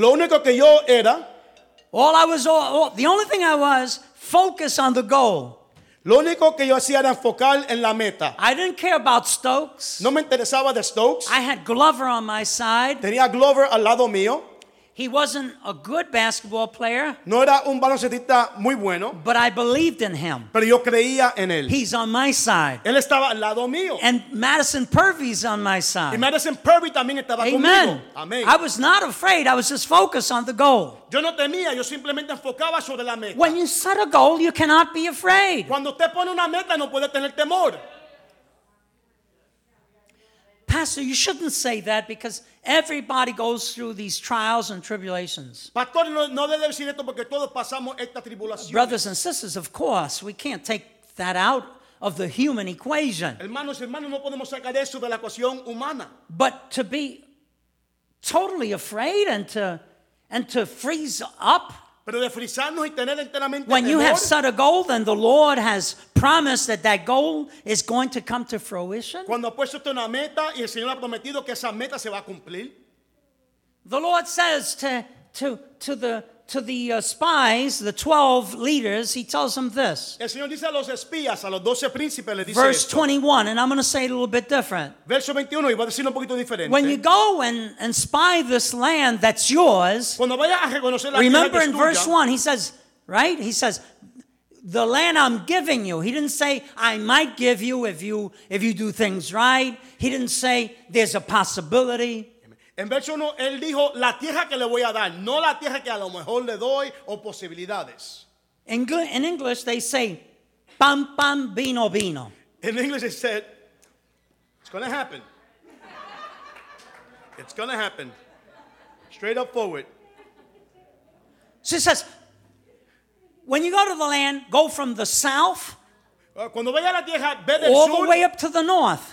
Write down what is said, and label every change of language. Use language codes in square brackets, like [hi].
[en] The only thing I was, focus on the goal. [es] Lo único que yo hacía era enfocar en la meta. [en] I didn't care about Stokes. [es] No me interesaba de Stokes. [en] I had Glover on my side. [es] Tenía Glover al lado mío. [en] He wasn't a good basketball player. [es] No era un baloncetista muy bueno. [en] But I believed in him. [es] Pero yo creía en él. [en] He's on my side. [es] Él estaba al lado mío. [en] And Madison Purvey's on my side. [es] Y Madison Purvey también estaba [en] Amen. [es] Conmigo. [en] Amen. I was not afraid. I was just focused on the goal. [es] Yo no temía, yo simplemente enfocaba sobre la meta. [en] When you set a goal, you cannot be afraid. [es] Cuando usted pone una meta, no puede tener temor. [en] Pastor, you shouldn't say that because everybody goes through these trials and tribulations. [es] Pastor, no debe decir esto porque todos pasamos esta tribulación. [en] Brothers and sisters, of course, we can't take that out of the human equation. [es] Hermanos y hermanas, no podemos sacar eso de la ecuación humana. [en] But to be totally afraid and to freeze up. [es] Pero de frizarnos y tener enteramente [en] when you have set a goal, then the Lord has promised that goal is going to come to fruition. [es] Cuando ha puesto una meta y el Señor ha prometido que esa meta se va a cumplir. [en] The Lord says to the spies, the 12 leaders, he tells them this. [es] El Señor dice a los espías, a los 12 príncipes, le dice [en] verse [es] esto. [en] 21, and I'm going to say it a little bit different. [es] Verso 21, y voy a decirlo un poquito diferente. [en] When you go and spy this land that's yours, [es] cuando vaya a reconocer la [en] remember [es] tierra que [en] in [es] es tuya, [en] verse 1, he says, right? He says, the land I'm giving you. He didn't say, I might give you if you do things right. He didn't say, there's a possibility. [es] En verso 1, él dijo, la tierra que le voy a dar, no la tierra que a lo mejor le doy o posibilidades. [en] In English, they say, pam, pam, [es] vino, vino. [en] In English, they said, it's going to happen. It's going to happen. Straight up forward. She says, when you go to the land, go from the south all the way up to the north.